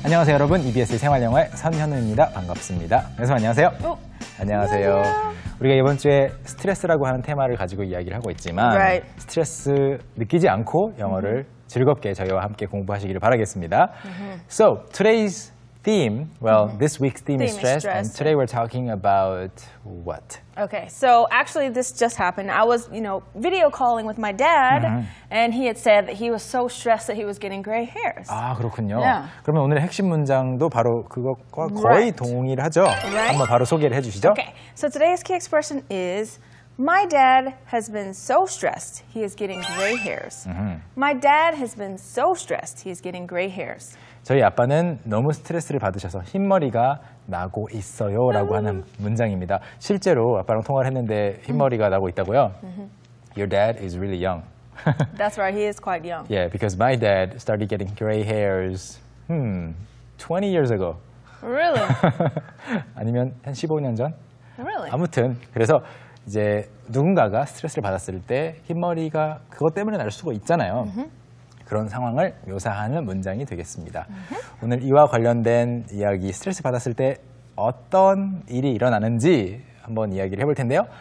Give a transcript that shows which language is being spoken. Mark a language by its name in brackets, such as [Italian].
[Korean] 안녕하세요 여러분 EBSe 생활영어의 선현우입니다. 반갑습니다. 여러분 안녕하세요. 안녕하세요. 우리가 이번 주에 스트레스라고 하는 테마를 가지고 이야기를 하고 있지만 [English] right. [Korean] 스트레스 느끼지 않고 영어를 즐겁게 저희와 함께 공부하시기를 바라겠습니다. [English] So today's theme, well, this week's theme, is stress, and today we're talking about what? Okay, so actually this just happened. I was, you know, video calling with my dad, and he had said that he was so stressed that he was getting gray hairs. [Korean] 아, 그렇군요. Yeah. 그러면 오늘의 핵심 문장도 바로 그것과 거의 [English] right. [Korean] 동일하죠? [English] Right. [Korean] 한번 바로 소개를 해주시죠. [English] Okay, so today's key expression is, my dad has been so stressed he is getting gray hairs. My dad has been so stressed he is getting gray hairs. [Korean] 저희 아빠는 너무 스트레스를 받으셔서 흰머리가 나고 있어요 라고 하는 문장입니다. 실제로 아빠랑 통화를 했는데 흰머리가 나고 있다고요? [English] Your dad is really young. That's right, he is quite young. Yeah, because my dad started getting gray hairs 20 years ago. Really? [Korean] 아니면 한 15년 전? [English] Really? [Korean] 아무튼 그래서 이제 누군가가 스트레스를 받았을 때 흰머리가 그것 때문에 날 수도 있잖아요. 그런 상황을 묘사하는 문장이 되겠습니다. 오늘 이와 관련된 이야기, 스트레스 받았을 때 어떤 일이 일어나는지 한번 이야기를 해볼 텐데요.